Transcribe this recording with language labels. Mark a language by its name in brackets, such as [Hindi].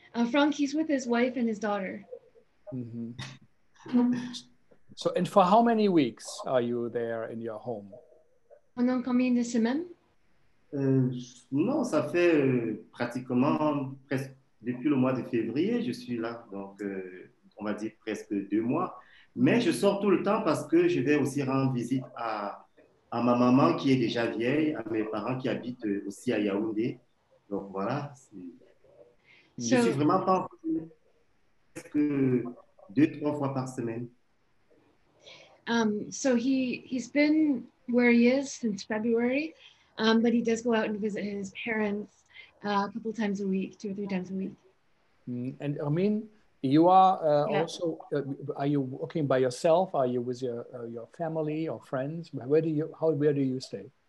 [English] Frank, he's with his wife and his daughter. Mm-hmm. So, and for how many weeks are you there in your home? [French] Pendant combien de semaines? Non, ça fait pratiquement presque depuis le mois de février, je suis là. Donc, on va dire presque 2 mois. Mais je sors tout le temps parce que je vais aussi rendre visite à ma maman qui est déjà vieille, à mes parents qui habitent aussi à Yaoundé. Donc voilà. Je suis vraiment pas presque 2-3 fois par semaine. [English] So he's been where he is since February, but he does go out and visit his parents a couple times a week, 2 or 3 times a week. And Hermine, you are also, are you working by yourself? Are you with your family or friends? Where do you stay?